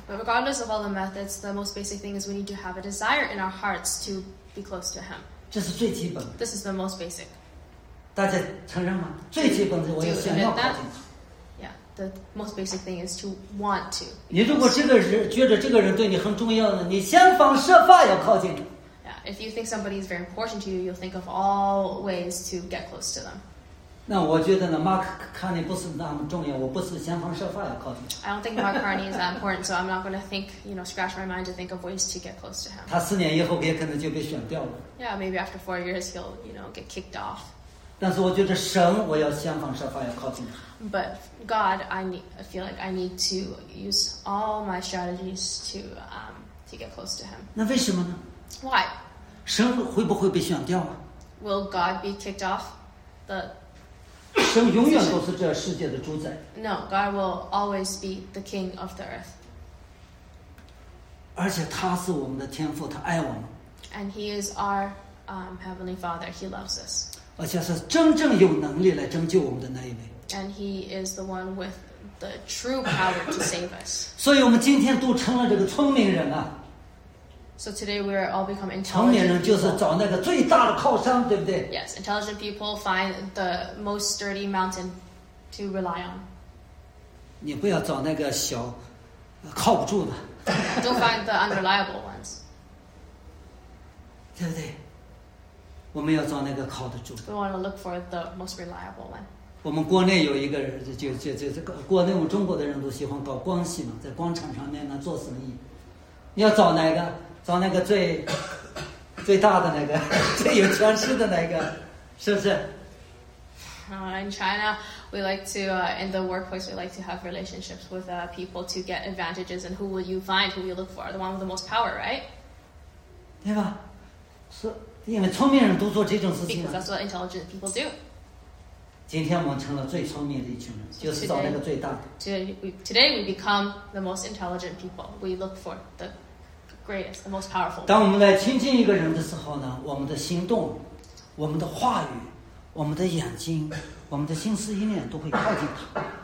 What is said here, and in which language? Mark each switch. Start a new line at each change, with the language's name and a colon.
English: But regardless of all the methods, the most basic thing is we need to have a desire in our hearts to be close to Him.
Chinese: 这是最基本的。
English: This is the most basic.
Chinese: 大家承认吗？最基本的，我要想要靠近他。
English: Yeah. the most basic thing is to want to.
Chinese: 你如果这个人觉得这个人对你很重要呢，你想方设法要靠近。
English: Yeah, if you think somebody is very important to you, you'll think of all ways to get close to them.
Chinese: 那我觉得呢 ，Mark Carney 不是那么重要，我不是想方设法要靠近。
English: I don't think Mark Carney is that important, so I'm not going to think, you know, scratch my mind to think of ways to get close to him.
Chinese: 他四年以后也可能就被选掉了。
English: Yeah, maybe after 4 years he'll, you know, get kicked off.
Chinese: 但是我觉得神我要想方设法要靠近他。
English: But God, I feel like I need to use all my strategies to get close to him.
Chinese: 那为什么呢
English: ？Why?
Chinese: 神会不会被选掉啊
English: ？Will God be kicked off the?
Chinese: 神永远都是这世界的主宰。
English: No, God will always be the king of the earth.
Chinese: 而且他是我们的天父，他爱我们。
English: And he is our heavenly Father. He loves us.
Chinese: 而且是真正有能力来拯救我们的那一位。
English: And he is the one with the true power to save us.
Chinese: 所以我们今天都成了这个聪明人啊。
English: So today we are all become intelligent.
Chinese: 聪明人就是找那个最大的靠山，对不对
English: ？Yes, intelligent people find the most sturdy mountain to rely on.
Chinese: 你不要找那个小靠不住的。
English: Don't find the unreliable ones.
Chinese: 对不对？我们要找那个靠得住。
English: We want to look for the most reliable one.
Chinese: 我们国内有一个人，就国内我们中国的人都喜欢搞关系嘛，在广场上面呢做生意。你要找哪个？找那个最最大的那个，最有权势的那个，是不是
English: ？In China, we like to in the workplace we like to have relationships with people to get advantages. And who will you find? Who will you look for? The one with the most power, right?
Chinese: 对吧？是。因为聪明人都做这种事情。
English: Because that's what intelligent people do.
Chinese: 今天我们成了最聪明的一群人，就是找那个最大的。
English: Today we become the most intelligent people. We look for the greatest, the most powerful.
Chinese: 当我们来亲近一个人的时候呢，我们的行动、我们的话语、我们的眼睛、我们的心思意念都会靠近他。